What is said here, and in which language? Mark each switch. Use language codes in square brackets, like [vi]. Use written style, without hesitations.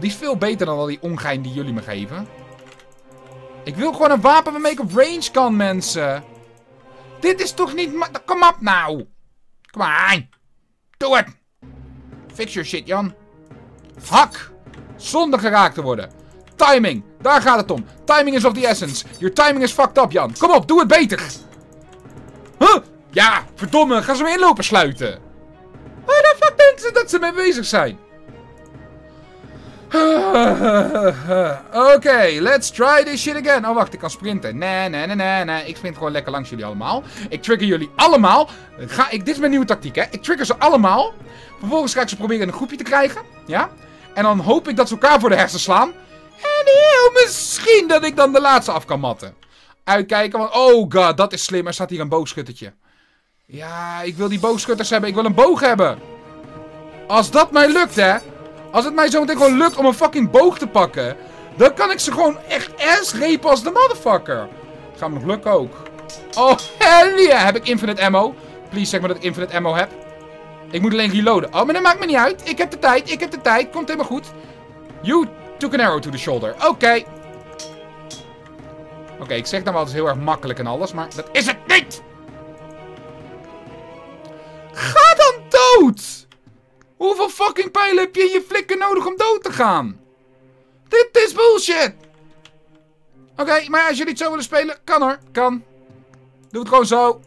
[nl] Die is veel beter dan al die ongein die jullie me geven. Ik wil gewoon een wapen waarmee ik op range kan, mensen. Dit is toch niet... Kom op nou. Kom aan. Doe het. [en] Fix your shit, Jan. [nl] Hak. Zonder geraakt te worden. Timing. Daar gaat het om. [en] Timing is of the essence. Your timing is fucked up, Jan. [nl] Kom op, doe het beter. Huh? Ja, verdomme. Ga ze me inlopen sluiten. Waar de fuck denken ze dat ze mee bezig zijn? [en] Oké, okay, let's try this shit again. [nl] Oh, wacht, ik kan sprinten. Nee. Ik sprint gewoon lekker langs jullie allemaal. Ik trigger jullie allemaal. Dit is mijn nieuwe tactiek, hè. Ik trigger ze allemaal. Vervolgens ga ik ze proberen in een groepje te krijgen. Ja? En dan hoop ik dat ze elkaar voor de hersen slaan. En heel misschien dat ik dan de laatste af kan matten. Uitkijken, want... Oh god, dat is slim. Er staat hier een boogschuttertje. Ja, ik wil die boogschutters hebben. Ik wil een boog hebben. Als dat mij lukt, hè. Als het mij zo meteen gewoon lukt om een fucking boog te pakken, dan kan ik ze gewoon echt ass repen als de motherfucker. Gaat me nog lukken ook. [en] Oh, hell yeah. [nl] Heb ik infinite ammo? Please zeg maar dat ik infinite ammo heb. Ik moet alleen reloaden. Oh, maar dat maakt me niet uit. Ik heb de tijd. Komt helemaal goed. [en] You took an arrow to the shoulder. [nl] Oké, ik zeg dan wel eens heel erg makkelijk en alles, maar dat is het niet. Ga dan dood. Hoeveel fucking pijlen heb je in je flikker nodig om dood te gaan? Dit is bullshit! Oké, maar als jullie het zo willen spelen, kan hoor. Kan. Doe het gewoon zo.